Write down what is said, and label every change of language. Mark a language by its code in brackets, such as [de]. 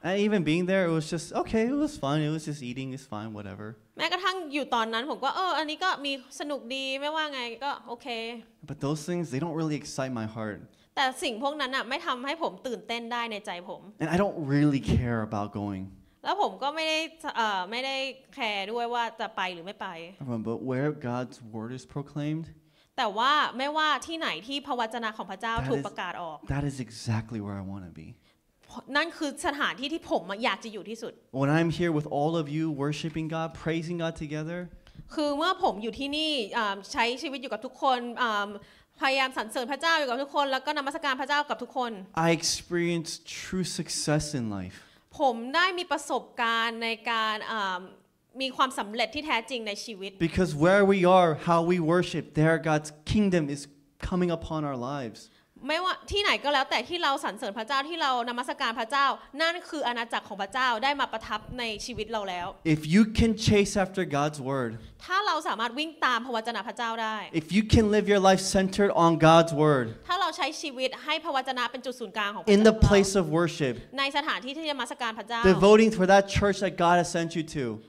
[en] And even being there it was just okay it was fun it was just eating it's fine whatever [th] แม้กระทั่งอยู่ตอนนั้นผมก็อันนี้ก็มีสนุกดีไม่ว่าไงก็โอเค [en] But those things they don't really excite my heart [th] แต่สิ่งพวกนั้นน่ะไม่ทําให้ผมตื่นเต้นได้ในใจผม [en] And I don't really care about going [th] แล้วผมก็ไม่ได้แคร์ด้วยว่าจะไปหรือไม่ไป [en] But where God's word is proclaimed [th] แต่ว่าไม่ว่าที่ไหนที่พระวจนะของพระเจ้าถูกประกาศออก [en] That is exactly where I want to be [th] นั่นคือสถานที่ที่ผมอยากจะอยู่ที่สุด [en] When I'm here with all of you worshiping God praising God together [th] คือเมื่อผมอยู่ที่นี่ใช้ชีวิตอยู่กับทุกคนพยายามสรรเสริญพระเจ้าอยู่กับทุกคนแล้วก็นมัสการพระเจ้ากับทุกคน [en] I experience true success in life [th] ผมได้มีประสบการณ์ในการมีความสำเร็จที่แท้จริงในชีวิต [en] Because where we are how we worship there God's kingdom is coming upon our lives [th] ไม่ว่าที่ไหนก็แล้วแต่ที่เราสรรเสริญพระเจ้าที่เรานมัสการพระเจ้านั่นคืออาณาจักรของพระเจ้าได้มาประทับในชีวิตเราแล้ว [en] If you can chase after God's word [th] ถ้าเราสามารถวิ่งตามพระวจนะพระเจ้าได้ [en] If you can live your life centered on God's word [th] ถ้าเราใช้ชีวิตให้พระวจนะเป็นจุดศูนย์กลางของพระเ จ้า [en] In the place of worship [th] ในสถานที่ที่นมัสการพระเจ้า [en] Devoting for that church that God has sent you to